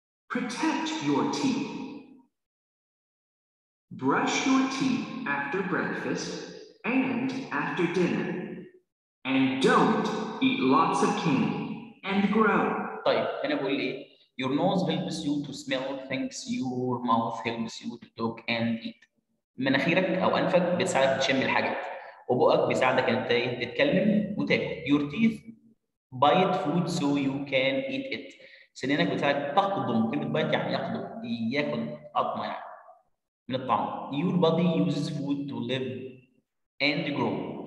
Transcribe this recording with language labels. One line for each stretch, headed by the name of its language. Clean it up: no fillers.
English: Protect your teeth. Brush your teeth after breakfast and after dinner. And don't eat lots of candy and grow.
Arabic: طيب انا بقول ايه؟
English: Your nose helps you to smell things. Your mouth helps you to talk and eat.
Arabic: مناخيرك او انفك بتساعدك تشم الحاجات. وبقك بيساعدك انت تتكلم وتاكل.
English: Your teeth bite food so you can eat it.
Arabic: سنينك بتساعدك تقضم. كلمة bite يعني يقضم، ياكل قضمة يعني من الطعم.
English: Your body uses food to live and grow.